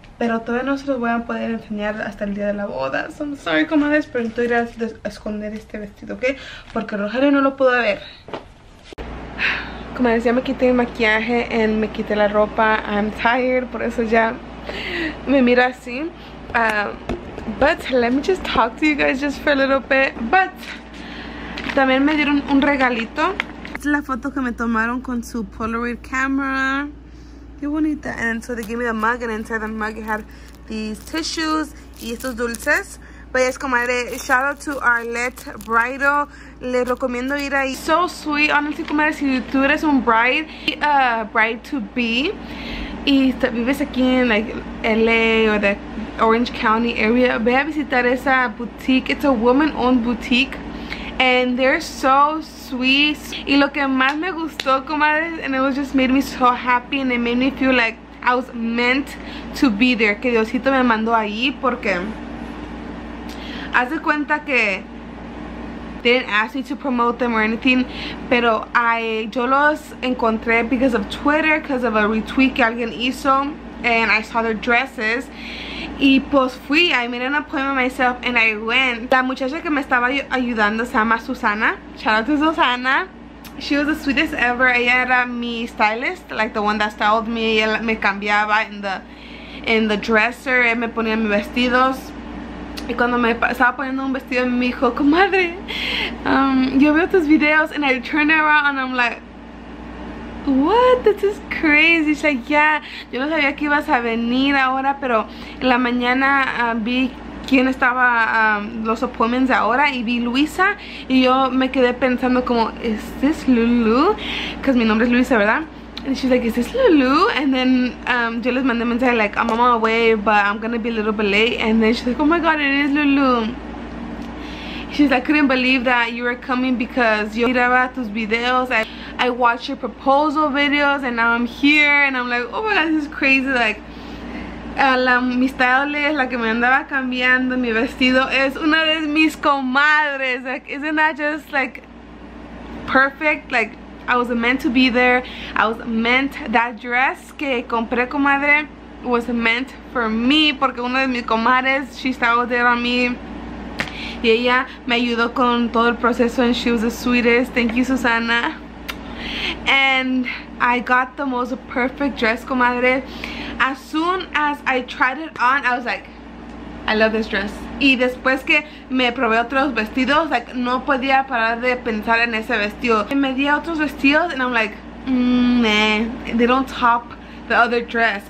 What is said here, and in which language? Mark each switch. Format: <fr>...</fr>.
<es>Pero todavía no se los voy a poder enseñar hasta el día de la boda.</es> <en>So I'm sorry,</en> <es>comadres, pero estoy a esconder este vestido, ¿ok? Porque Rogelio no lo pudo ver. Comadres, ya me quité el maquillaje y me quité la ropa.</es> <en>I'm tired,</en> <es>por eso ya me miro así.</es> <en>But let me just talk to you guys just for a little bit.</en> <es>But también me dieron un regalito. Es la foto que me tomaron con su Polaroid camera. Qué bonita.</es> <en>And so they gave me the mug, and inside the mug it had these tissues</en> <es>y estos dulces.</es> <en>But yes, comadre, shout out to Arlette Bridal.</en> <es>Les recomiendo ir ahí.</es> <en>So sweet, honestly, comadre,</en> <es>si tú eres un</es> <en>bride, bride to be,</en> <es>y vives aquí en</es> <en>like LA or the Orange County area,</en> <es>ve a visitar esa boutique.</es> <en>It's a woman owned boutique. And they're so sweet.</en> <es>Y lo que más me gustó,</es> <en>comadres, and it was just made me so happy, and it made me feel like I was meant to be there.</en> <es>Que Diosito me mandó ahí, porque haz de cuenta que</es> <en>they didn't ask me to promote them or anything,</en> <es>pero yo los encontré</es> <en>because of Twitter, because of a retweet</en> <es>que alguien hizo,</es> <en>and I saw their dresses.</en> <es>Y pues fui,</es> <en>I made an appointment myself and I went.</en> <es>La muchacha que me estaba ayudando se llama Susana.</es> <en>Shout out to Susana. She was the sweetest ever.</en> <es>Ella era mi stylist,</es> <en>like the one that styled me.</en> <es>Ella me cambiaba</es> <en>in the dresser,</en> <es>me ponía mis vestidos. Y cuando me estaba poniendo un vestido, me dijo, comadre, yo veo tus videos,</es> <en>and I turn around and I'm like, what? This is crazy. She's like, yeah,</en> <es>yo no sabía que ibas a venir ahora, pero en la mañana vi quién estaba los appointments ahora, y vi Luisa, y yo me quedé pensando como,</es> <en>is this Lulu? Because</en> <es>mi nombre es Luisa, ¿verdad?</es> <en>And she's like, is this Lulu? And then</en> <es>yo les mandé mensaje</es> <en>like, I'm on my way, but I'm gonna be a little bit late. And then she's like, oh my god, it is Lulu. She's like, I couldn't believe that you were coming, because</en> <es>yo miraba tus videos,</es> <en>I watched your proposal videos, and now I'm here, and I'm like, oh my god, this is crazy.</en> <es>Like, mi stylist, la que me andaba cambiando mi vestido, es una de mis comadres.</es> <en>Like, isn't that just like perfect? Like, I was meant to be there. I was meant, that dress</en> <es>que compré, comadre,</es> <en>was meant for me,</en> <es>porque una de mis comadres,</es> <en>she styled there on me.</en> <es>Y ella me ayudó con todo el proceso,</es> <en>and she was the sweetest. Thank you, Susana. And I got the most perfect dress, comadre. As soon as I tried it on, I was like, I love this dress.</en> <es>Y después que me probé otros vestidos, like, no podía parar de pensar en ese vestido. Y me di otros vestidos,</es> <en>and I'm like, they don't top the other dress.</en>